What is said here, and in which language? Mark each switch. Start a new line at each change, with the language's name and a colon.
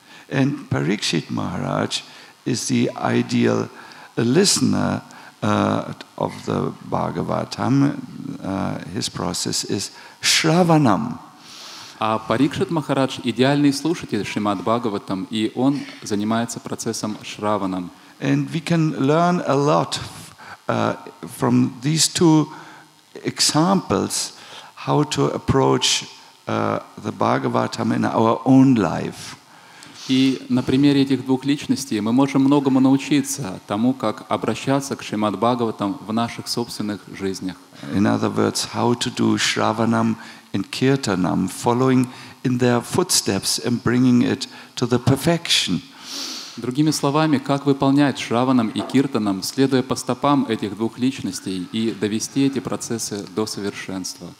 English: And Parikshit Maharaj is the ideal listener of the Bhagavatam. His process is shravanam.
Russian: А Парикшит Махарадж – идеальный слушатель Шримад Бхагаватам, и он занимается процессом шраванам.
English: And we can learn a lot from these two examples how to approach the Bhagavatam in our own life.
Russian: И на примере этих двух личностей мы можем многому научиться тому, как обращаться к Шримад Бхагаватам в наших собственных жизнях.
English: In other words, how to do shravanam and kirtanam, following in their footsteps and bringing it to the perfection.
Russian: Другими словами, как выполнять шраванам и киртанам, следуя по стопам этих двух личностей и довести эти процессы до совершенства.